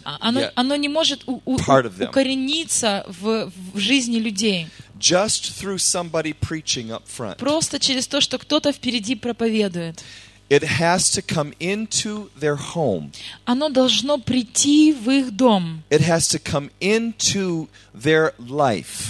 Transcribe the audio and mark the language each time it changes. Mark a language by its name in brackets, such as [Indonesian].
[Russian] Оно не может укорениться в жизни людей. [English] Just through somebody preaching up front. [Russian] Просто через то, что кто-то впереди проповедует. [English] It has to come into their home. [Russian] Оно должно прийти в их дом. [English] It has to come into their life.